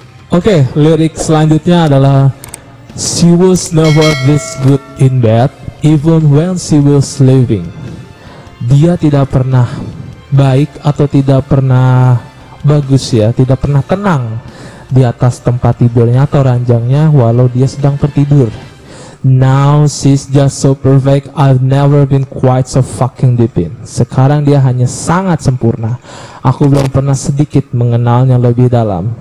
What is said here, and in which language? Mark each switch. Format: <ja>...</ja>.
<id>Oke, lirik selanjutnya adalah</id> <en>she was never this good in bed even when she was sleeping.</en> <id>Dia tidak pernah baik atau tidak pernah bagus ya, tidak pernah tenang di atas tempat tidurnya atau ranjangnya walau dia sedang tertidur.</id> <en>Now she's just so perfect, I've never been quite so fucking deep in.</en> <id>Sekarang dia hanya sangat sempurna, aku belum pernah sedikit mengenalnya lebih dalam.</id>